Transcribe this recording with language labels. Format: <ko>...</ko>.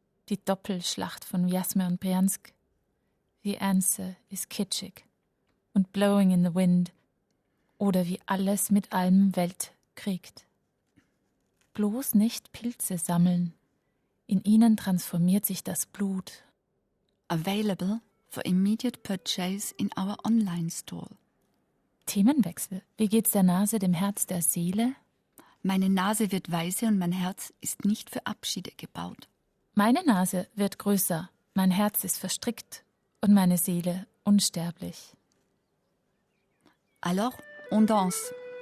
<de>Die Doppelschlacht von Wjasme und Bryansk.</de> <en>The answer is kitschig und blowing in the wind</en> <de>oder wie alles mit allem Welt kriegt. Bloß nicht Pilze sammeln. In ihnen transformiert sich das Blut.</de> <en>Available for immediate purchase in our online store.</en> <de>Themenwechsel. Wie geht's der Nase, dem Herz, der Seele? Meine Nase wird weise und mein Herz ist nicht für Abschiede gebaut. Meine Nase wird größer, mein Herz ist verstrickt und meine Seele unsterblich.</de> <fr>Alors, on danse.</fr>